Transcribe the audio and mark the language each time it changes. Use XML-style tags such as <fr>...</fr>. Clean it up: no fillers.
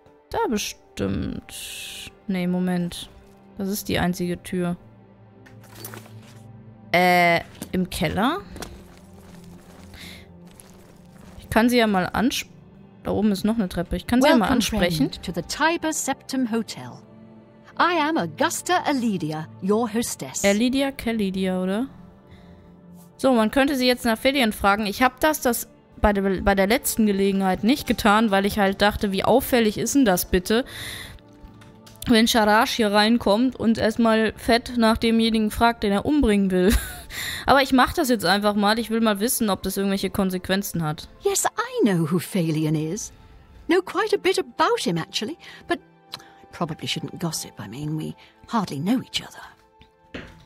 <de>Da bestimmt. Nee, Moment. Das ist die einzige Tür. Im Keller? Ich kann sie ja mal ansprechen. Da oben ist noch eine Treppe. Ich kann sie ja mal ansprechen.</de> <en>Welcome to the Tiber Septim Hotel. I am Augusta Elidia, your hostess.</en> <de>Elidia, Kelidia, oder? So, man könnte sie jetzt nach Felien fragen. Ich habe das bei der letzten Gelegenheit nicht getan, weil ich halt dachte, wie auffällig ist denn das bitte, wenn Sharash hier reinkommt und erstmal fett nach demjenigen fragt, den er umbringen will. Aber ich mach das jetzt einfach mal. Ich will mal wissen, ob das irgendwelche Konsequenzen hat.</de> <en>Yes, I know who Felien is. Know quite a bit about him actually, but probably shouldn't gossip. I mean, we hardly know each other.</en>